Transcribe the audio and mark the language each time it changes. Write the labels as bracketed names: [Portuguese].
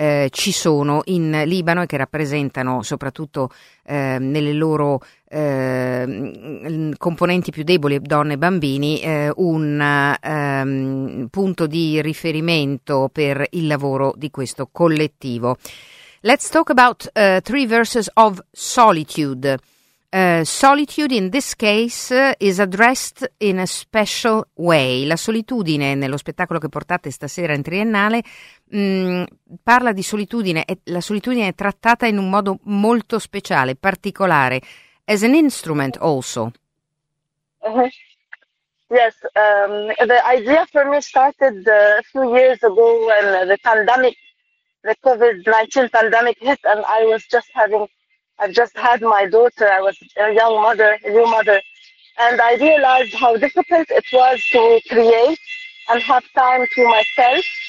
[Italian] ci sono in Libano e che rappresentano soprattutto nelle loro componenti più deboli, donne e bambini, un punto di riferimento per il lavoro di questo collettivo. [English] Let's talk about Three Verses of Solitude. Solitude in this case is addressed in a special way. [Italian] La solitudine nello spettacolo che portate stasera in Triennale parla di solitudine, e la solitudine è trattata in un modo molto speciale, particolare, [English] as an instrument also. Yes, the idea for me started a few years ago when the COVID-19 pandemic hit, and I've just had my daughter. I was a young mother, a new mother, and I realized how difficult it was to create and have time to myself.